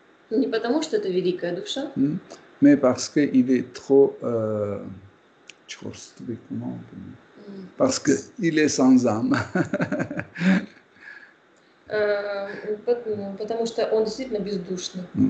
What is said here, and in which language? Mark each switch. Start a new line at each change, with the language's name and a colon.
Russian: Не потому, что это великая душа.
French: Mais parce qu'il est trop...
Russian: Чёрствый,
French: comment? Parce qu'il est sans âme.
Russian: Потому что он действительно бездушный.